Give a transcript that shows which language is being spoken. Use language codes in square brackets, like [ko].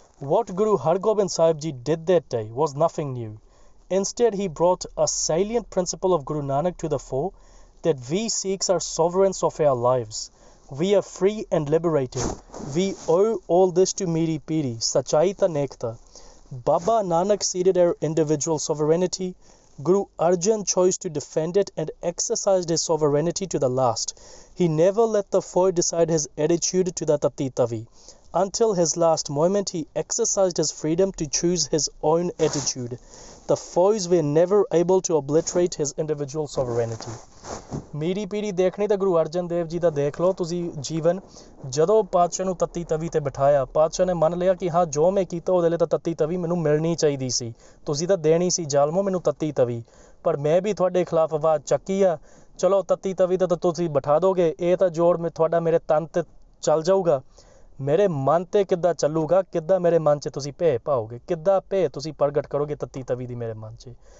[en] what Guru Hargobind Sahib ji did that day was nothing new instead he brought a salient principle of Guru Nanak to the fore that we Sikhs are sovereigns of our lives we are free and liberated we owe all this to [pa] Miri Piri ਸੱਚਾਈ ਤਾਂ ਨੇਕਤਾ [en] Baba Nanak ceded her individual sovereignty. Guru Arjan chose to defend it and exercised his sovereignty to the last. He never let the foe decide his attitude to the Tatitavi. Until his last moment, he exercised his freedom to choose his own attitude. The foes were never able to obliterate his individual sovereignty. [pa] Miri Piri ਦੇਖਣੀ ਤਾਂ ਗੁਰੂ ਅਰਜਨ ਦੇਵ ਜੀ ਦਾ ਦੇਖ ਲਓ ਤੁਸੀਂ ਜੀਵਨ, ਜਦੋਂ ਪਾਤਸ਼ਾਹ ਨੂੰ ਤੱਤੀ ਤਵੀ 'ਤੇ ਬਿਠਾਇਆ, ਪਾਤਸ਼ਾਹ ਨੇ ਮੰਨ ਲਿਆ ਕਿ ਹਾਂ ਜੋ ਮੈਂ ਕੀਤਾ ਉਹਦੇ ਲਈ ਤਾਂ ਤੱਤੀ ਤਵੀ ਮੈਨੂੰ ਮਿਲਣੀ ਚਾਹੀਦੀ ਸੀ, ਤੁਸੀਂ ਤਾਂ ਦੇਣੀ ਸੀ ਜ਼ਾਲਮੋ ਮੈਨੂੰ ਤੱਤੀ ਤਵੀ, ਪਰ ਮੈਂ ਵੀ ਤੁਹਾਡੇ ਖਿਲਾਫ਼ ਆਵਾਜ਼ ਚੱਕੀ ਆ, ਚਲੋ ਤੱਤੀ ਤਵੀ 'ਤੇ ਤਾਂ ਤੁਸੀਂ ਬਿਠਾ ਦਿਓਗੇ, ਇਹ ਤਾਂ ਜੋੜ ਮੈਂ ਤੁਹਾਡਾ ਮੇਰੇ ਤਨ 'ਤੇ ਚੱਲ ਜਾਊਗਾ, ਮੇਰੇ ਮਨ 'ਤੇ ਕਿੱਦਾਂ ਚੱਲੂਗਾ, ਕਿੱਦਾਂ ਮੇਰੇ ਮਨ 'ਚ ਤੁਸੀਂ ਭੇ ਪਾਓਗੇ, ਕਿੱਦਾਂ ਭੇ ਤੁਸੀਂ ਪ੍ਰਗਟ ਕਰੋਗੇ ਤੱਤੀ ਤਵੀ ਦੀ ਮੇਰੇ ਮਨ 'ਚ?